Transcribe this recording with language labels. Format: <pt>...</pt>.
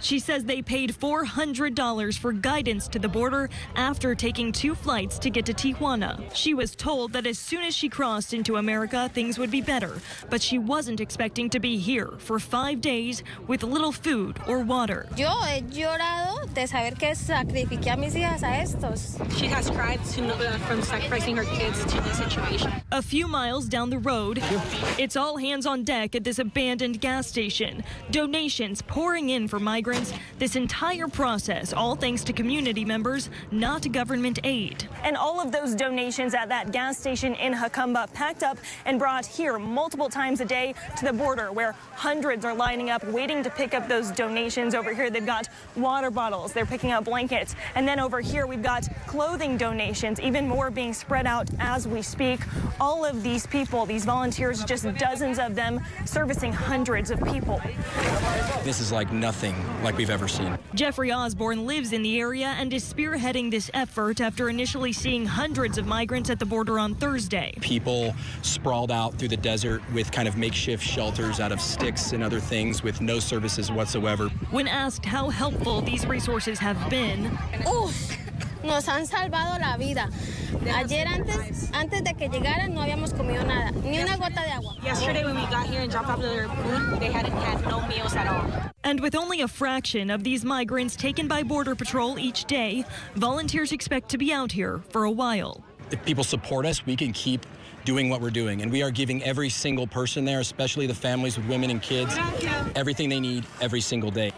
<en>She says they paid $400 for guidance to the border after taking 2 flights to get to Tijuana. She was told that as soon as she crossed into America, things would be better, but she wasn't expecting to be here for 5 days with little food or water.</en> <es>Yo he llorado de saber que sacrifiqué a mis hijas a estos.</es> <en>She has cried from sacrificing her kids to this situation. A few miles down the road, it's all hands on deck at this abandoned gas station. Donations pouring in for migrants. This entire process, all thanks to community members, not government aid. And all of those donations at that gas station in Jacumba packed up and brought here multiple times a day to the border where hundreds are lining up waiting to pick up those donations. Over here they've got water bottles, they're picking up blankets. And then over here we've got clothing donations, even more being spread out as we speak. All of these people, these volunteers, just dozens of them servicing hundreds of people. This is like nothing like we've ever seen. Jeffrey Osborne lives in the area and is spearheading this effort after initially seeing hundreds of migrants at the border on Thursday. People sprawled out through the desert with kind of makeshift shelters out of sticks and other things with no services whatsoever. When asked how helpful these resources have been,</en> <es>oof, nos han salvado la vida. Ayer antes de que llegaran no habíamos comido nada, ni una gota de agua.</es> <en>Yesterday when we got here and dropped off their food, they hadn't had no meals at all. And with only a fraction of these migrants taken by Border Patrol each day, volunteers expect to be out here for a while. If people support us, we can keep doing what we're doing. And we are giving every single person there, especially the families with women and kids, everything they need every single day.</en>